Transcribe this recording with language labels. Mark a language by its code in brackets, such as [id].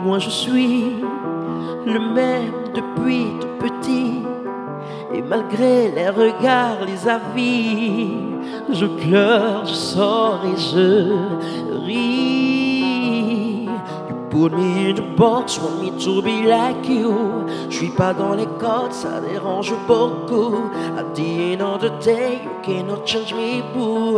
[fr] Moi je suis le même depuis tout petit. Et malgré les regards, les avis, je pleure, je sors et je ris. [en] You put me in a box, want me to be like you. [fr] Je suis pas dans les codes, ça dérange beaucoup. [en] At the end of the day, you cannot change me, boo.